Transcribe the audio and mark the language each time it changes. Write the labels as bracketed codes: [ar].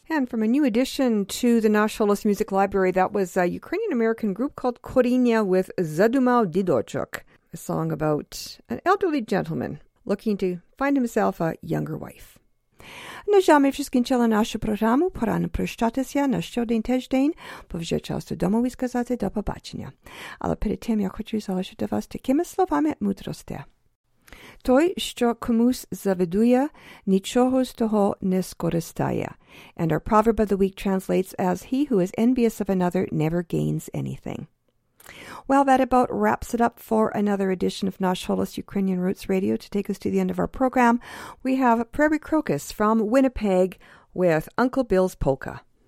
[en] from a new addition to the Nasholos Music Library. That was a Ukrainian-American group called Korinya with Zadumao Didochuk, a song about an elderly gentleman looking to find himself a younger wife. [uk] На жаль, ми скінчили нашу програму. Пора не прощатися на щодень тиждень, бо вже час додому і сказати до побачення. Але перед тим я хочу залишити вас такими словами мудрості. Той, що комусь завидує, нічого з того не скористає. [en] And our proverb of the week translates as, he who is envious of another never gains anything. Well, that about wraps it up for another edition of Nasholos Ukrainian Roots Radio. To take us to the end of our program, we have Prairie Crocus from Winnipeg with Uncle Bill's Polka.